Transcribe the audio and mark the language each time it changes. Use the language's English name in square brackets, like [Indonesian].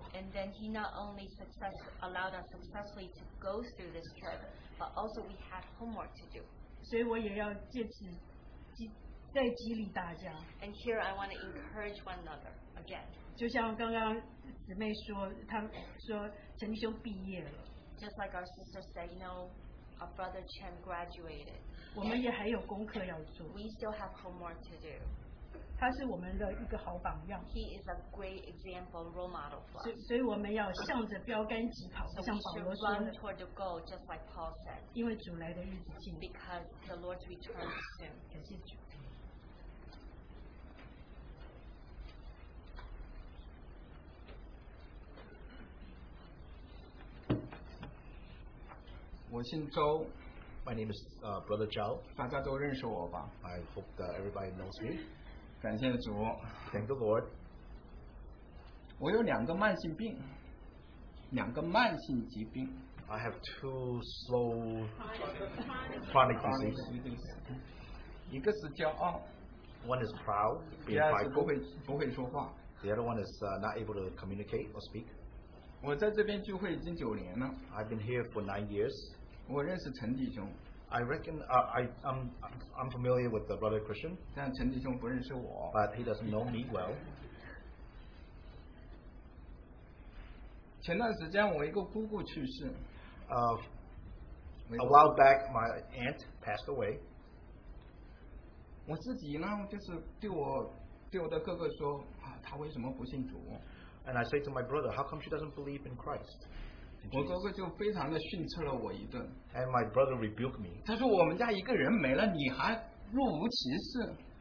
[English] And then he not only allowed us successfully to go through this trip, but also we had homework to do. [Chinese] 所以我也要借此再激励大家. [English] And here I want to encourage one another again. [Chinese] 就像刚刚姊妹说，她说陈弟兄毕业了. [English] Just like our sister said, you know, our brother Chen graduated. [Chinese] 我们也还有功课要做。 [English] We still have homework to do. [Chinese] 他是我们的一个好榜样。 [English] He is a great example, role model for us. [Chinese] 所以我们要向着标杆疾跑，像保罗说的。 [English] So we should run toward the goal, just like Paul said. [Chinese] 因为主来的日子近。 [English] Because the Lord's return is soon. [Chinese] 感谢主。我姓周。 [English] My name is Brother Zhao. [Chinese] 大家都认识我吧? [English] I hope that everybody knows me. [Chinese] 感谢主。 [English] Thank the Lord. [Chinese] 我有两个慢性病, 两个慢性疾病。 [English] I have two slow chronic diseases. [Chinese] 一个是骄傲, [English] one is proud, being prideful. The other one is not able to communicate or speak. [Chinese] 我在这边聚会已经九年了。 [English] I've been here for 9 years. [Chinese] 我认识陈弟兄。 [English] I reckon I'm familiar with the brother Christian. [Chinese] 但陈弟兄不认识我。 [English] But he doesn't know me well. [Chinese] 前段时间我一个姑姑去世。 [English] A while back, my aunt passed away. [Chinese] 我自己呢，就是对我的哥哥说，啊，他为什么不信主？ [English] And I say to my brother, how come she doesn't believe in Christ? [Chinese] 我哥哥就非常的训斥了我一顿。 [English] And my brother rebuked me. [Chinese] 他说我们家一个人没了，你还若无其事。